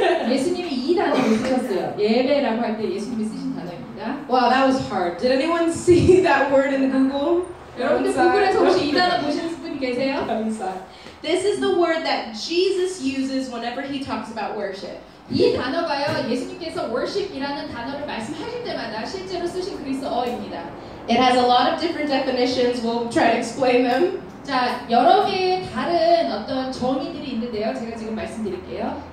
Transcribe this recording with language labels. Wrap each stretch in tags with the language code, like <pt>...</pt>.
<ko>예수님이 이 단어를 쓰셨어요. 예배라고 할 때 예수님이 쓰신 단어입니다.</ko> <en>Wow, that was hard. Did anyone see that word in Google?</en> <ko>여러분들 구글에서 혹시 이 단어 보신 분 계세요?</ko> <en>This is the word that Jesus uses whenever he talks about worship.</en> <ko>이 단어가요, 예수님께서 worship이라는 단어를 말씀하실 때마다 실제로 쓰신 그리스어입니다.</ko> <en>It has a lot of different definitions. We'll try to explain them.</en> <ko>자, 여러 개의 다른 어떤 정의들이 있는데요. 제가 지금 말씀드릴게요.</ko>